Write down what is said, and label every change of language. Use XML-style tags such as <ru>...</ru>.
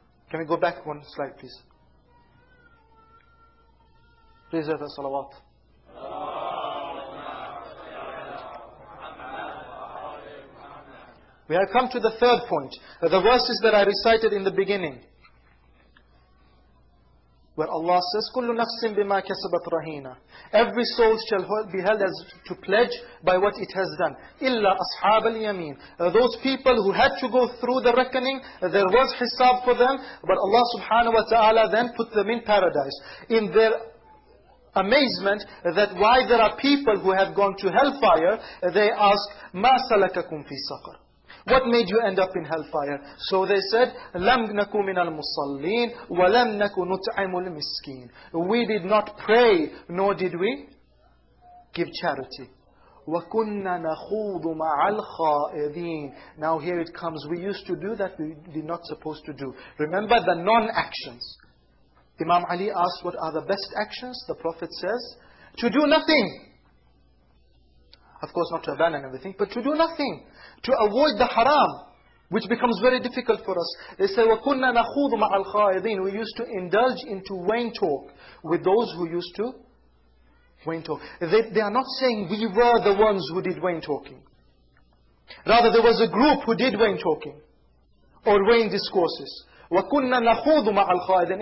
<en>Can we go back one slide, please? Please have a salawat. We have come to the third point. The verses that I recited in the beginning. Where Allah says,</en> <ar>كُلُّ نَفْسٍ بِمَا كَسَبَتْ رَهِينَ.</ar> <en>Every soul shall be held as to pledge by what it has done.</en> <ar>إِلَّا أَصْحَابَ الْيَمِينَ.</ar> <en>Those people who had to go through the reckoning, there was hisab for them, but Allah subhanahu wa ta'ala then put them in paradise. In their amazement that why there are people who have gone to hellfire, they ask,</en> <ar>مَا سَلَكَكُمْ فِي سَقَرْ.</ar> <en>What made you end up in hellfire? So they said,</en> <ar>لَمْ نَكُ مِنَ الْمُصَلِّينَ وَلَمْ نَكُ نُطْعِمُ الْمِسْكِينَ.</ar> <en>We did not pray, nor did we give charity.</en> <ar>وَكُنَّا نَخُوضُ مَعَ الْخَائِذِينَ.</ar> <en>Now here it comes, we used to do that we did not supposed to do. Remember the non-actions. Imam Ali asked, what are the best actions? The Prophet says, to do nothing. Of course, not to abandon everything, but to do nothing. To avoid the haram, which becomes very difficult for us. They say,</en> <ar>وَكُنَّا نَخُوضُ مَعَ الْخَائِذِينَ.</ar> <en>We used to indulge into vain talk with those who used to vain talk. They are not saying we were the ones who did vain talking. Rather, there was a group who did vain talking or vain discourses.</en> <ar>وَكُنَّا نَخُوضُ مَعَ الْخَائِذِينَ.</ar>